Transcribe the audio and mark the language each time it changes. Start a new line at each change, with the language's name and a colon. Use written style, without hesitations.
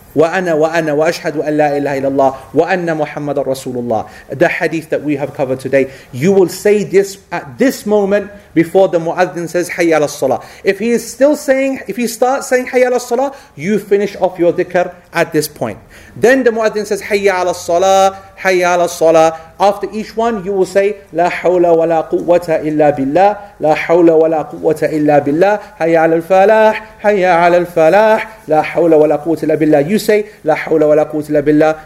Arabic: وأنا وأنا وأشهد أن لا إله إلا الله وأن محمد رسول الله.
English: The hadith that we have covered today, you will say this at this moment before the muadhin says
Arabic: حي على الصلاة.
English: If he is still saying, if he starts saying
Arabic: حي على الصلاة,
English: you finish off your dhikr at this point. Then the muadhin says
Arabic: حي على الصلاة, حي على الصلاة.
English: After each one, you will say
Arabic: لا حول ولا قوة إلا بالله, لا حول ولا قوة إلا بالله, حي على الفلاح, حي على الفلاح, لا حول ولا قوة إلا بالله.
English: You say
Arabic: لا حول ولا قوة إلا بالله.